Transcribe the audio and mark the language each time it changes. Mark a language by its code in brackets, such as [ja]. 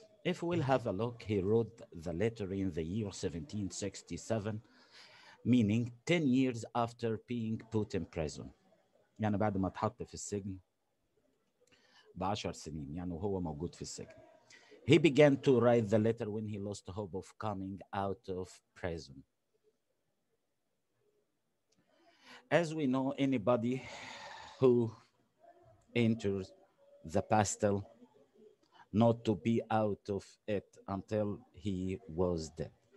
[en] If we'll have a look, he wrote the letter in the year 1767, meaning 10 years after being put in prison. [ar] يعني بعد ما اتحط في السجن بعشر سنين, يعني هو موجود في السجن. [en] He began to write the letter when he lost hope of coming out of prison. As we know, anybody who enters the pastel not to be out of it until he was dead.